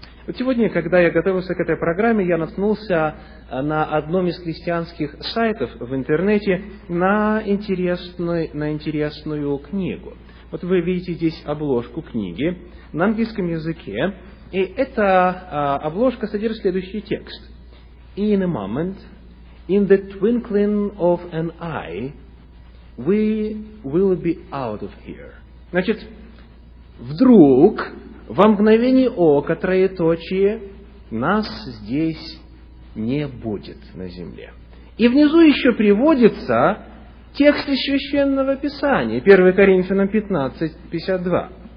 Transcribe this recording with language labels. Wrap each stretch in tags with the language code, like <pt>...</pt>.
<ru>Вот сегодня, когда я готовился к этой программе, я наткнулся на одном из христианских сайтов в интернете на интересную книгу. Вот вы видите здесь обложку книги на английском языке, и эта обложка содержит следующий текст.</ru> <en>In a moment, in the twinkling of an eye, we will be out of here.</en> <ru>Значит, вдруг, во мгновение ока, троеточие, нас здесь не будет на земле. И внизу еще приводится текст из Священного Писания, 1 Коринфянам 15, 52.</ru>